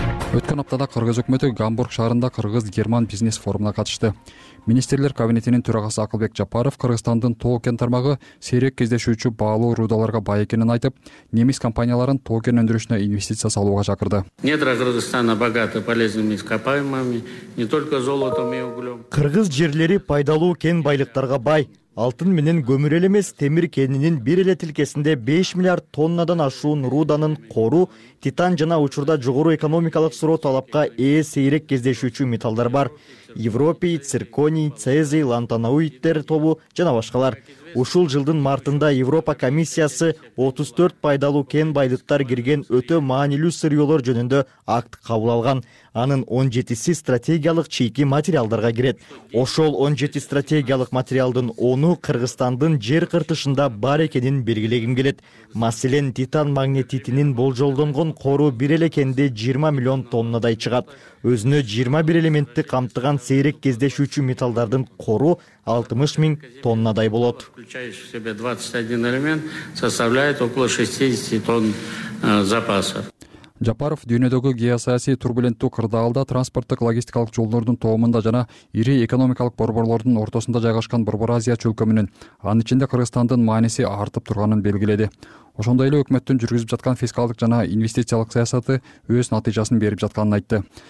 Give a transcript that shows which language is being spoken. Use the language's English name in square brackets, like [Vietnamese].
[Kyrgyz] Өткөн аптада кыргыз өкмөтү Гамбург шаарында кыргыз-герман бизнес форумуна катышты. Министрлер кабинетинин төрагасы Акылбек Жапаров Кыргызстандын тоо-кен тармагы сейрек кездешүүчү баалуу рудаларга бай экенин айтып, немис компанияларын тоо-кен өндүрүшүнө инвестиция салууга чакырды. [Russian] Недра Кыргызстана богаты полезными ископаемыми, не только золотом и углем. [Kyrgyz] Кыргыз жерлери пайдалуу кен байлыктарга бай. Алтын менен көмүр эле эмес, темир кенинин бир эле тилкесинде 5 миллиард тоннадан ашуун руданын кору, титан жана учурда жогору экономикалык суроо талапка ээ сейрек кездешүүчү металлдар бар. Европий, цирконий, цезий, лантанауиттер тобу жана башкалар. Ушул жылдын мартында Европа комиссиясы 34 пайдалуу кен байлыктар кирген өтө маанилүү сырьёлор жөнүндө акт кабыл алган. Анын 17 стратегиялык чийки материалдарга кирет. Ошол 17 стратегиялык материалдын 10 Кыргызстандын жер кыртышында бар экенин белгилегим келет. Маселен, титан магнетитинин болжолдонгон кору бир эле кенде 20 миллион тоннадай чыгат. Өзүнө 21 элементти камтыган сейрек кездешүүчү металлдардын кору 60 миң тоннадай болот. [Russian] Включаешь в себя 21 элемент, составляет около 60 тонн запасов. [Kyrgyz] Жапаров дүйнөдөгү геосаясий турбуленттүү кырдаалда транспорттук логистикалык жолдордун тоомунда жана ири экономикалык борборлордун ортосунда жайгашкан Борбор Азия чөлкөмүнүн анын ичинде Кыргызстандын мааниси артып турганын белгиледи. Ошондой эле өкмөттүн жүргүзүп жаткан фискалдык жана инвестициялык саясаты өз натыйжасын берип жатканын айтты.